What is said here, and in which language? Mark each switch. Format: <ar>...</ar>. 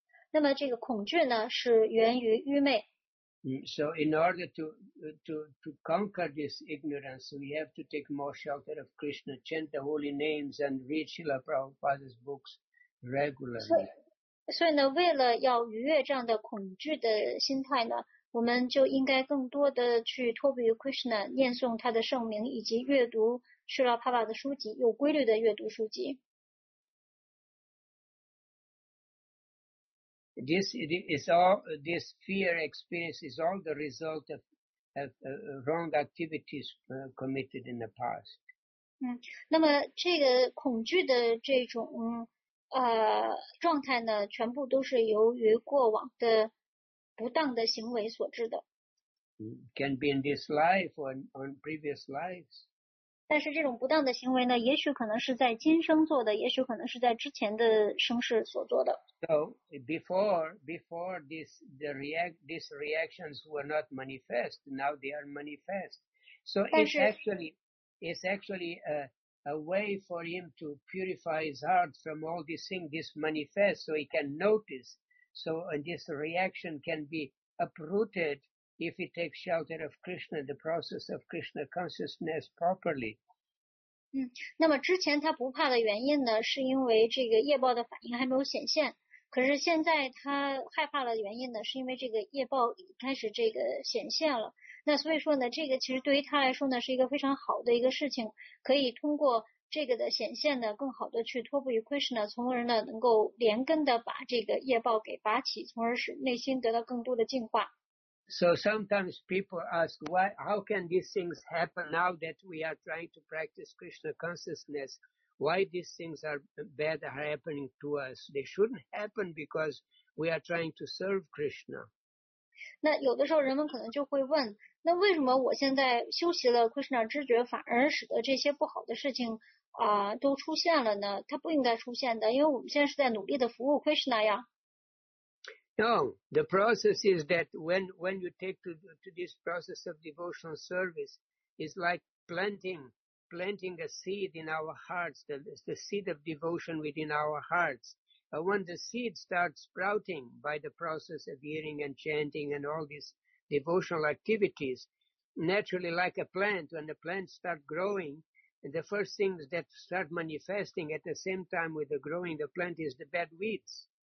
<zh>那么这个恐惧呢，是源于愚昧。</zh> <en>So in order to conquer this ignorance, we have to take more shelter of Krishna, chant the holy names, and read Srila Prabhupada's books regularly.</en> <zh>所以呢，为了要逾越这样的恐惧的心态呢，我们就应该更多的去托庇于 Krishna, 念诵他的圣名，以及阅读 Srila Prabhupada 的书籍，有规律的阅读书籍。</zh> <en>This fear experience is all the result of wrong activities committed in the past.</en> <zh>那么这个恐惧的这种状态呢，全部都是由于过往的不当的行为所致的。</zh> <en>Can be in this life or on previous lives.</en> <zh>但是这种不当的行为呢，也许可能是在今生做的，也许可能是在之前的生世所做的。</zh> <en>So before these reactions were not manifest, now they are manifest. So it's actually a way for him to purify his heart from all these things, this manifest, so he can notice. So this reaction can be uprooted if he takes shelter of Krishna, the process of Krishna consciousness properly.</en> <zh>那么之前他不怕的原因呢，是因为这个业报的反应还没有显现。可是现在他害怕的原因呢，是因为这个业报开始这个显现了。那所以说呢，这个其实对于他来说呢，是一个非常好的一个事情，可以通过这个的显现呢，更好的去托付于 Krishna， 从而呢能够连根的把这个业报给拔起，从而使内心得到更多的净化。</zh> <en>So sometimes people ask why, how can these things happen now that we are trying to practice Krishna consciousness? Why these things are bad are happening to us? They shouldn't happen because we are trying to serve Krishna.</en> <zh>那有的时候人们可能就会问，那为什么我现在修习了 Krishna 知觉，反而使得这些不好的事情都出现了呢？它不应该出现的，因为我们现在是在努力的服务 Krishna 呀。</zh> <en>No, the process is that when you take to this process of devotional service, it's like planting a seed in our hearts, the seed of devotion within our hearts. But when the seed starts sprouting by the process of hearing and chanting and all these devotional activities, naturally like a plant, when the plants start growing, the first things that start manifesting at the same time with the growing the plant is the bad weeds.</en>